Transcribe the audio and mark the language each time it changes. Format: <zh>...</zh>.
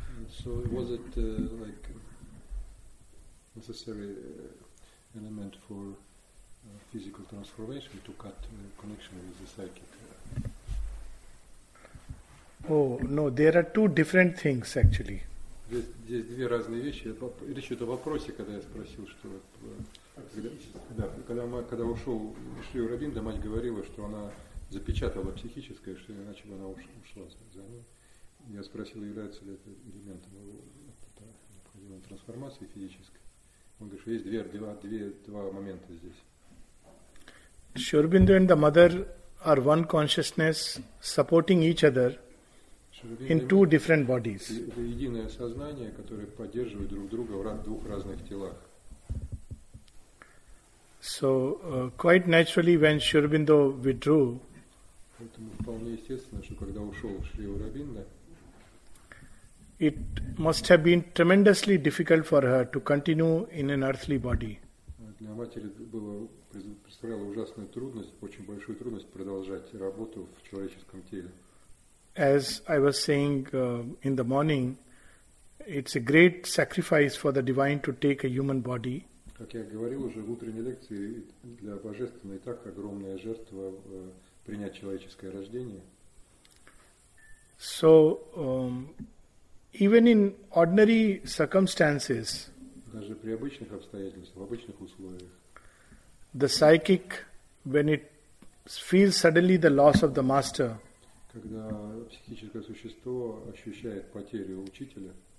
<en>So was it like necessary element for physical transformation to cut connection with the psychic? Oh no, there are two different things actually.</en> <ru>Здесь две разные вещи. Речь идет о вопросе, когда я спросил, что когда ушли у Рабинда, мать говорила, что она запечатала психическое, что иначе бы она ушла за ним. Я спросил, является ли это элементом необходимой трансформации физической. Он говорит, что есть два момента здесь.</ru> <en>Шурбинду and the mother are one consciousness supporting each other in two different bodies.</en> <ru>Это единое сознание, которое поддерживает друг друга в двух разных телах.</ru> <en>So quite naturally, when Sri Aurobindo withdrew,</en> <ru>поэтому вполне естественно, что когда ушел Шри Аурабинда,</ru> <en>it must have been tremendously difficult for her to continue in an earthly body.</en> <ru>Для матери было представляло ужасную трудность, очень большую трудность продолжать работу в человеческом теле.</ru> <en>As I was saying in the morning, it's a great sacrifice for the divine to take a human body.</en> <ru>Как я говорил уже в утренней лекции, для божественной и так огромная жертва принять человеческое рождение.</ru> <en>So, even in ordinary circumstances,</en> <ru>даже при обычных обстоятельствах, в обычных условиях,</ru> <en>the psychic, when it feels suddenly the loss of the master,</en> <ru>когда психическое существо ощущает потерю учителя,</ru>